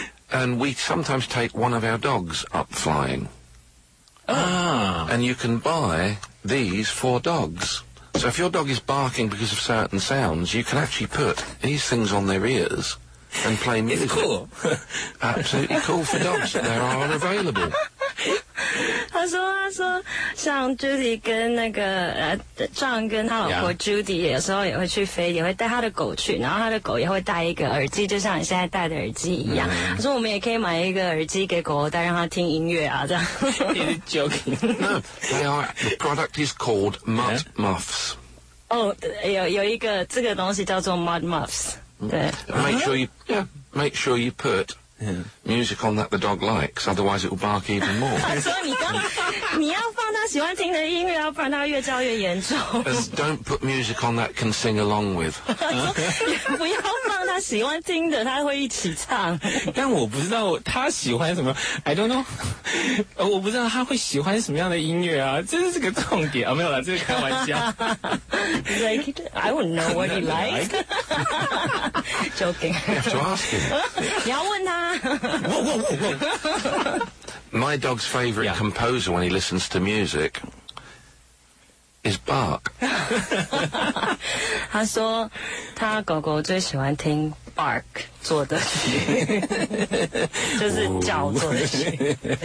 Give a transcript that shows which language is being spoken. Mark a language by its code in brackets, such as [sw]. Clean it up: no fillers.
[en] And we sometimes take one of our dogs up flying. Ah. And you can buy these for dogs. So if your dog is barking because of certain sounds, you can actually put these things on their ears and play music. It's cool. Absolutely cool for dogs. There are available. [zh] 他说像 Judy 跟那个John 跟他老婆 Judy 有时候也会去飞，也会带他的狗去，然后他的狗也会带一个耳机，就像你现在戴的耳机一样。 Mm. 他说我们也可以买一个耳机给狗狗带，让他听音乐啊，这样。 [en] You're joking. No, they are. The product is called Mud、yeah? Muffs. [zh] 有一个这个东西叫做 Mud Muffs. 对。 [en] Make sure you put music on that the dog likes, otherwise it will bark even more. [zh] 你要放他喜欢听的音乐，要不然他越叫越严重。 [en] Don't put music on that can sing along with. [zh] 不要放他喜欢听的，他会一起唱。但我不知道他喜欢什么， [en] I don't know. [zh] 我不知道他会喜欢什么样的音乐啊，这是个重点啊，没有啦，这是开玩笑。 [en] Like, I wouldn't know what he likes. Joking. You have to ask him. [zh] 你要问他。 Whoa, whoa, whoa, whoa. [en] My dog's favorite composer when he listens to music is Bach. [zh] 他说他狗狗最喜欢听 Bark 做的曲，就是叫做的曲。